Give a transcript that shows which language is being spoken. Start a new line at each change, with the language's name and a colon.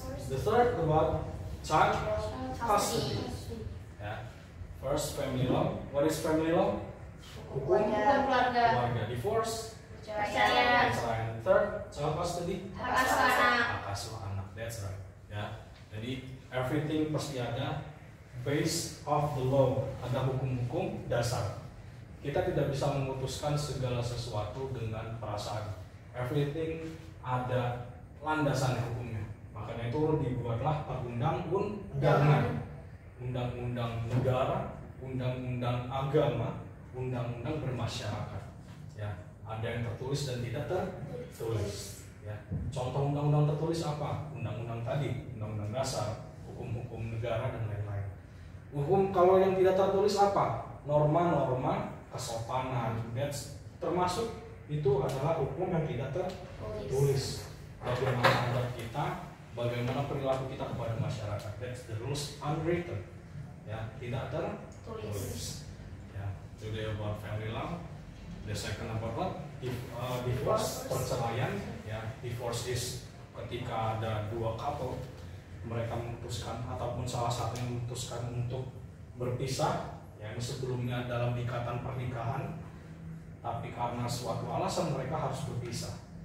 English: The third about child custody. Yeah, first family law. What is family law?
Indonesian: Keluarga.
English: Divorce.
Indonesian: Perceraian.
English: Third, child custody.
Indonesian: Hak asuh anak.
English: That's right. Yeah.
Indonesian: Jadi everything pasti ada
English: based of the law.
Indonesian: Ada hukum-hukum dasar. Kita tidak bisa memutuskan segala sesuatu dengan perasaan. Everything ada landasan hukumnya. Makanya itu dibuatlah perundang-undangan, undang-undang negara, undang-undang agama, undang-undang bermasyarakat. Ya, ada yang tertulis dan tidak tertulis. Ya, contoh undang-undang tertulis apa? Undang-undang tadi, undang-undang dasar, hukum-hukum negara dan lain-lain. Hukum kalau yang tidak tertulis apa? Norma-norma kesopanan. That's termasuk itu adalah hukum yang tidak tertulis. Bagaimana adat kita, bagaimana perilaku kita kepada masyarakat.
English: That's the rules unwritten.
Indonesian: Ya, tidak tertulis.
English: Today about family law, the second about what? Divorce, perceraian. Yeah, divorce is
Indonesian: ketika ada dua couple mereka memutuskan ataupun salah satu yang memutuskan untuk berpisah yang sebelumnya dalam ikatan pernikahan, tapi karena suatu alasan mereka harus berpisah.